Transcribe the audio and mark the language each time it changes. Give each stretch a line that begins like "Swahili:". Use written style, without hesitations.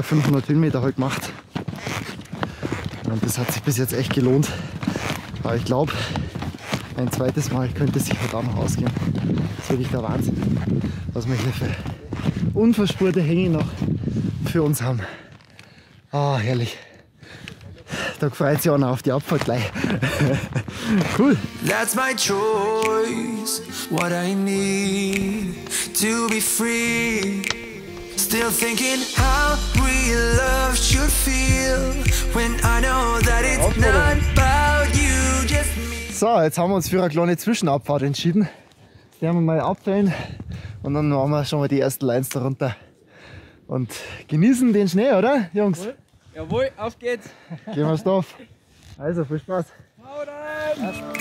German: 500 Höhenmeter heute gemacht und das hat sich bis jetzt echt gelohnt, aber ich glaube, ein zweites Mal könnte sich halt auch noch ausgehen. Das ist wirklich der Wahnsinn, was wir hier für unverspurte Hänge noch für uns haben. Ah, oh, herrlich. Da freut sich einer auf die Abfahrt gleich. Cool.
English: That's my choice, what I need to be free. Still thinking how we love should feel when I know that it's not about you, just me.
German: So, jetzt haben wir uns für eine kleine Zwischenabfahrt entschieden. Die haben wir mal abfällen und dann machen wir schon mal die ersten Lines da runter. Und genießen den Schnee, oder, Jungs? Cool. Jawohl, auf geht's! Gehen wir's drauf! Also, viel Spaß! Hau rein!